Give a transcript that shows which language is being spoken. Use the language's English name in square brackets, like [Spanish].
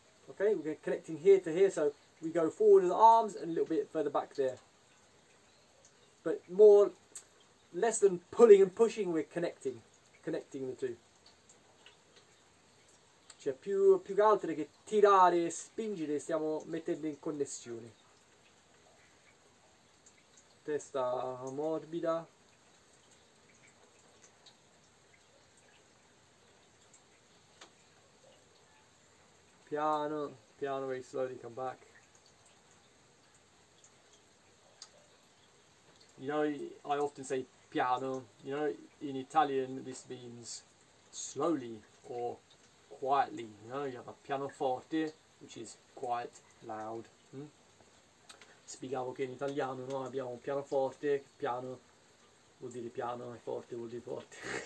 [English] Ok, we're connecting here to here, so we go forward with the arms and a little bit further back there, but more less than pulling and pushing, we're connecting the two. Check [Italian] Cioè, più che altro che tirare e spingere, stiamo mettendo in connessione. Testa morbida. Piano, piano, [English] very slowly come back. I often say piano. In Italian this means slowly or quietly. You have a pianoforte, which is quite loud. [Italian] Spiegavo che in italiano no, abbiamo un pianoforte, piano vuol dire piano e forte vuol dire forte.